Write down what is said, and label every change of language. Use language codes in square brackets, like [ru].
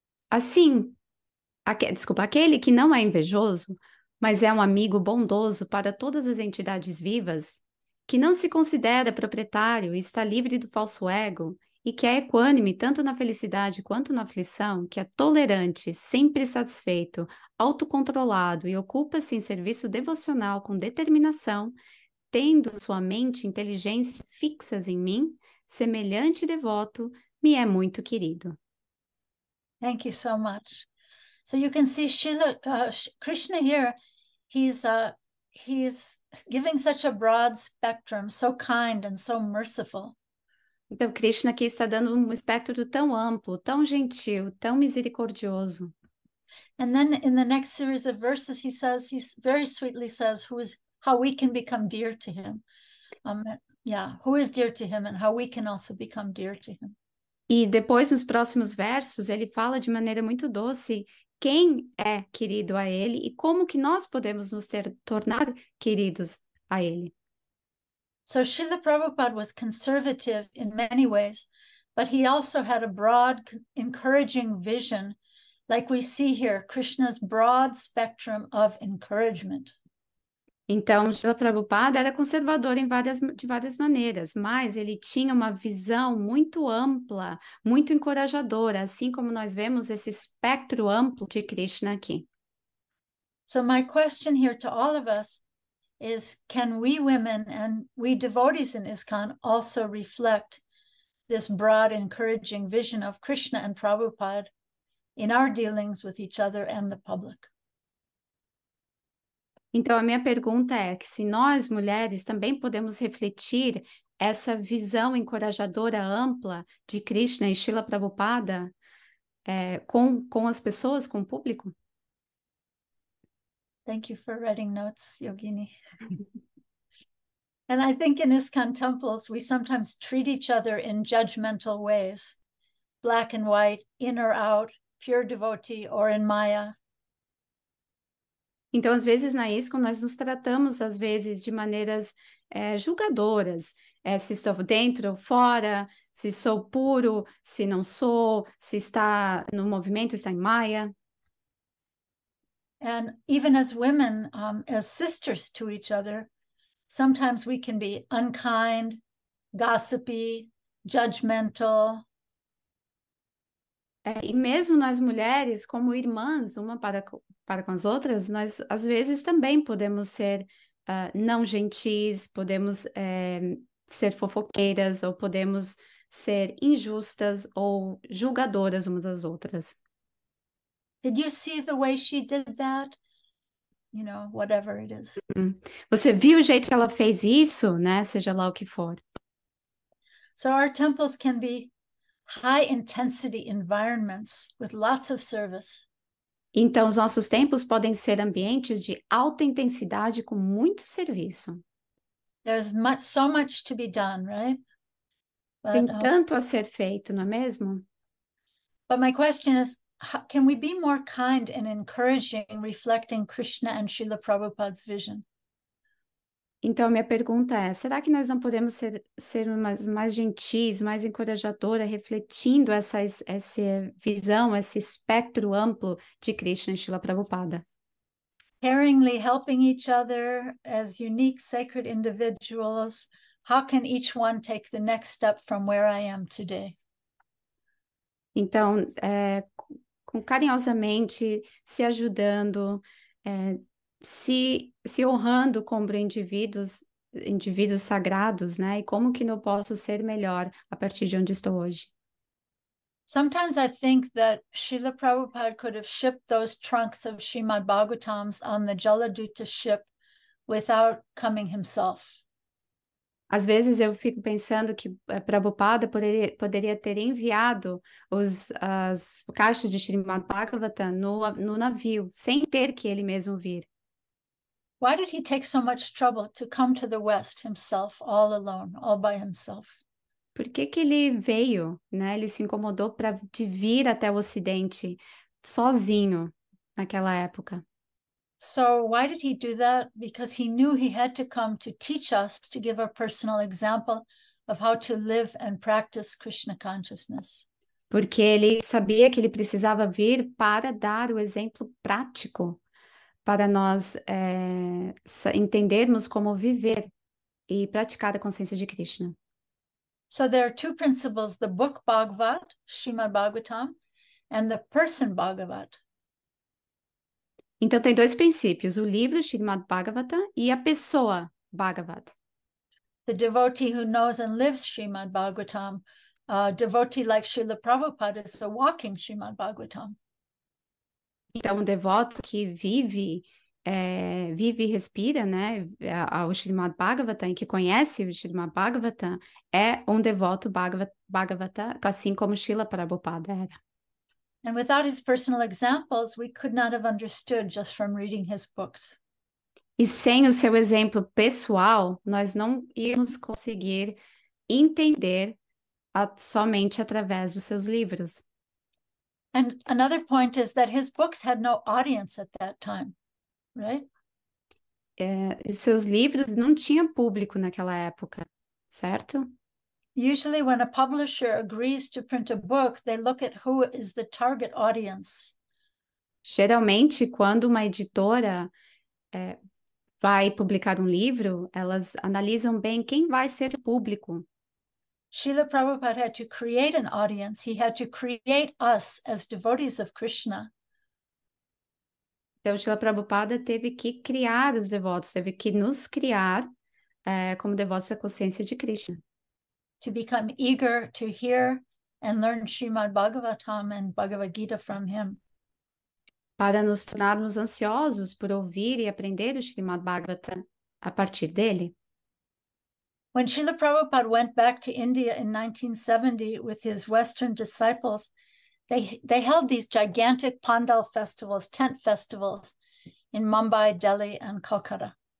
[pt] Assim, aquele que não é invejoso, mas é um amigo bondoso para todas as entidades vivas, que não se considera proprietário e está livre do falso ego, e que é equânime tanto na felicidade quanto na aflição, que é tolerante, sempre satisfeito, autocontrolado e ocupa-se em serviço devocional com determinação, tendo sua mente e inteligência fixas em mim, semelhante devoto, me é muito querido. [en] Thank you so much. So you can see Shila, Krishna here, he's giving such a broad spectrum, so kind and so merciful. [pt] Então, Krishna aqui está dando um espectro tão amplo, tão gentil, tão misericordioso. [en] And then in the next series of verses, he says, he very sweetly says, who is, how we can become dear to him. Who is dear to him and how we can also become dear to him. [pt] E depois, nos próximos versos, ele fala de maneira muito doce quem é querido a ele e como que nós podemos nos tornar queridos a ele. [en] So Srila Prabhupada was conservative in many ways, but he also had a broad, encouraging vision, like we see here, Krishna's broad spectrum of encouragement. [pt] Então, Srila Prabhupada era conservador de várias maneiras, mas ele tinha uma visão muito ampla, muito encorajadora, assim como nós vemos esse espectro amplo de Krishna aqui. [en] So my question here to all of us is, can we women and we devotees in ISKCON also reflect this broad encouraging vision of Krishna and Prabhupada in our dealings with each other and the public? [pt] Então, a minha pergunta é que se nós, mulheres, também podemos refletir essa visão encorajadora ampla de Krishna e Srila Prabhupada com as pessoas, com o público? [en] Thank you for writing notes, Yogini. And I think in ISKCON temples, we sometimes treat each other in judgmental ways, black and white, in or out, pure devotee or in Maya. [pt] Então, às vezes, na ISKCON, nós nos tratamos, às vezes, de maneiras julgadoras. Se estou dentro ou fora, se sou puro, se não sou, se está no movimento, está em Maya. [en] And even as women, as sisters to each other, sometimes we can be unkind, gossipy, judgmental. [pt] E mesmo nós mulheres, como irmãs, uma para com as outras, nós às vezes também podemos ser não gentis, podemos ser fofoqueiras ou podemos ser injustas ou julgadoras umas das outras. [en] Did you see the way she did that? you know, whatever it is. [pt] Você viu o jeito que ela fez isso, né? Seja lá o que for. [en] So our temples can be high intensity environments with lots of service. [pt] Então, os nossos templos podem ser ambientes de alta intensidade com muito serviço. [en] There's much, so much to be done, right? [pt] But, tem tanto a ser feito, não é mesmo? [en] But my question is, can we be more kind and encouraging in reflecting Krishna and Srila Prabhupada's vision? [pt] Então, minha pergunta é, será que nós não podemos ser mais gentis, mais encorajadora, refletindo essa visão, esse espectro amplo de Krishna e Srila Prabhupada? [en] Caringly helping each other as unique sacred individuals, how can each one take the next step from where I am today? [pt] Então, com carinhosamente, se ajudando, se honrando como indivíduos sagrados, né? E como que não posso ser melhor a partir de onde estou hoje? [en] Sometimes I think that Srila Prabhupada could have shipped those trunks of Srimad Bhagavatams on the Jaladutta ship without coming himself. [pt] Às vezes eu fico pensando que Prabhupada poderia ter enviado as caixas de Srimad Bhagavatam no navio, sem ter que ele mesmo vir. [en] Why did he take so much trouble to come to the West himself, all alone, all by himself? [pt] Por que que ele veio, né? Ele se incomodou para vir até o Ocidente sozinho naquela época. [en] So why did he do that? Because he knew he had to come to teach us, to give a personal example of how to live and practice Krishna consciousness. [pt] Porque ele sabia que ele precisava vir para dar o exemplo prático para nós entendermos como viver e praticar a consciência de Krishna. [en] So there are two principles, the book Bhagavat, Srimad Bhagavatam, and the person Bhagavat. [pt] Então, tem dois princípios, o livro Srimad Bhagavata e a pessoa Bhagavat. [en] The devotee who knows and lives Srimad Bhagavatam, a devotee like Srila Prabhupada is a walking Srimad Bhagavatam. [pt] Então, um devoto que vive e respira, né, o Srimad Bhagavata e que conhece o Srimad Bhagavata é um devoto Bhagavata, assim como Srila Prabhupada era. [en] And without his personal examples, we could not have understood just from reading his books. [pt] E sem o seu exemplo pessoal, nós não íamos conseguir entender somente através dos seus livros. [en] And another point is that his books had no audience at that time, right? [pt] Seus livros não tinham público naquela época, certo? [en] Usually when a publisher agrees to print a book, they look at who is the target audience. [pt] Geralmente, quando uma editora vai publicar um livro, elas analisam bem quem vai ser o público. [en] Srila Prabhupada had to create an audience. He had to create us as devotees of Krishna. [pt] Então, Srila Prabhupada teve que criar os devotos, teve que nos criar como devotos da consciência de Krishna. [en] To become eager to hear and learn Srimad Bhagavatam and Bhagavad Gita from him. [pt] Para nos tornarmos ansiosos por ouvir e aprender o Srimad Bhagavatam a partir dele. [en] When Srila Prabhupada went back to India in 1970 with his Western disciples, they held these gigantic pandal festivals, tent festivals, in Mumbai, Delhi, and Calcutta.